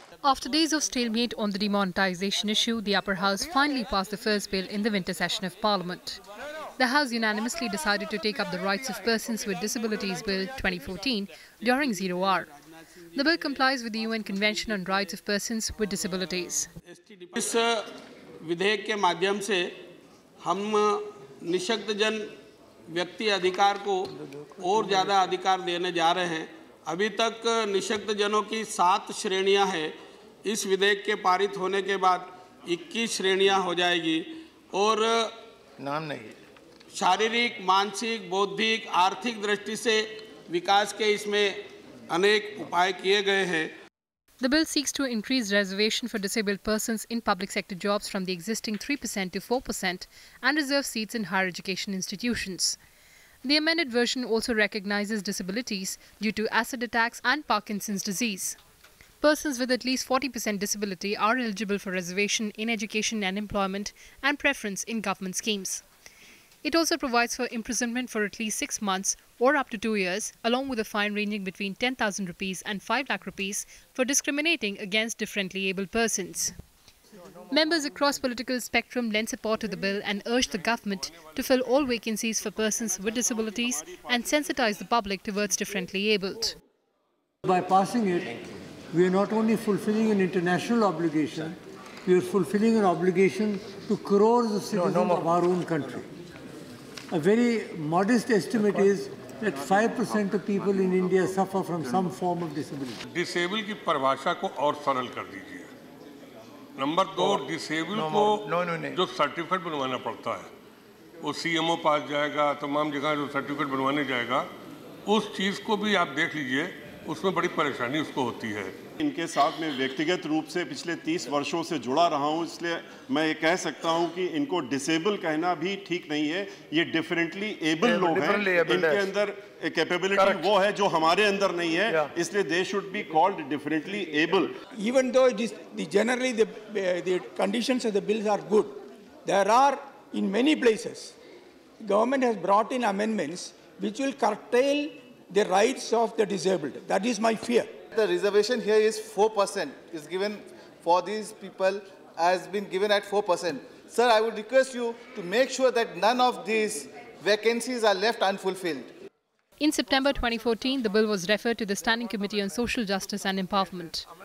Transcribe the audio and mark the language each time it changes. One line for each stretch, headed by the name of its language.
English: After days of stalemate on the demonetization issue, the upper house finally passed the first bill in the winter session of parliament. The house unanimously decided to take up the Rights of Persons with Disabilities Bill 2014 during zero hour. The bill complies with the UN Convention on Rights of Persons with Disabilities.
Hindi: इस विधेयक के माध्यम से हम निशक्त जन व्यक्ति अधिकार को और ज्यादा अधिकार देने जा रहे हैं अभी तक निशक्त जनों की सात श्रेणियां हैं इस विधेयक के पारित होने के बाद 21 श्रेणियां हो जाएगी और नाम नहीं शारीरिक मानसिक बौद्धिक आर्थिक दृष्टि से विकास के इसमें अनेक उपाय किए गए हैं
English: The bill seeks to increase reservation for disabled persons in public sector jobs from the existing 3% to 4% and reserve seats in higher education institutions. The amended version also recognizes disabilities due to acid attacks and Parkinson's disease. Persons with at least 40% disability are eligible for reservation in education and employment and preference in government schemes. It also provides for imprisonment for at least 6 months or up to 2 years, along with a fine ranging between 10,000 rupees and 5 lakh rupees for discriminating against differently abled persons. Members across political spectrum lend support to the bill and urge the government to fill all vacancies for persons with disabilities and sensitize the public towards differently abled. By passing it, we are not only fulfilling an international obligation, we are fulfilling an obligation to crores of citizens of our own country. A very modest estimate is that 5% of people in India suffer from some form of disability.
Hindi: Disable की परिभाषा को और सरल कर दीजिए.
English: Number two,
Hindi: disable को जो certificate बनवाना पड़ता है, वो CMO पास जाएगा, तमाम जगह जो certificate बनवाने जाएगा, उस चीज को भी आप देख लीजिए, उसमें बड़ी परेशानी उसको होती है. इनके साथ मैं व्यक्तिगत रूप से पिछले 30 वर्षों से जुड़ा रहा हूं इसलिए मैं ये कह सकता हूं कि इनको डिसेबल कहना भी ठीक नहीं है ये डिफरेंटली एबल लोग हैं इनके अंदर कैपेबिलिटी वो है जो हमारे अंदर नहीं है इसलिए
English: They should be called differently able even though the generally the conditions of the bills are good there are in many places government has brought in amendments which will curtail the rights of the disabled that is my fear The reservation here is 4% is given for these people has been given at 4%. Sir, I would request you to make sure that none of these vacancies are left unfulfilled. In September 2014, the bill was referred to the Standing Committee on Social Justice and Empowerment.